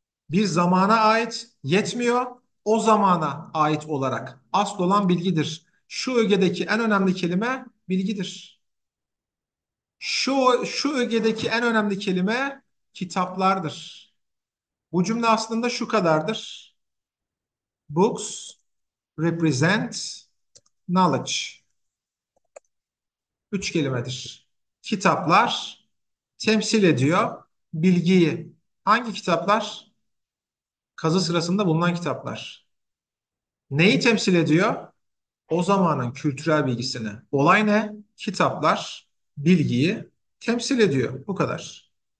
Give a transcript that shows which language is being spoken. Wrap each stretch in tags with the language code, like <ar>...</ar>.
<tr>Bir zamana ait. Yetmiyor. O zamana ait olarak. Asıl olan bilgidir. Şu ögedeki en önemli kelime bilgidir. Şu ögedeki en önemli kelime kitaplardır. Bu cümle aslında şu kadardır.</tr> <en>Books represent knowledge.</en> <tr>Üç kelimedir. Kitaplar temsil ediyor bilgiyi. Hangi kitaplar? Kazı sırasında bulunan kitaplar. Neyi temsil ediyor? O zamanın kültürel bilgisini. Olay ne? Kitaplar bilgiyi temsil ediyor. Bu kadar.</tr>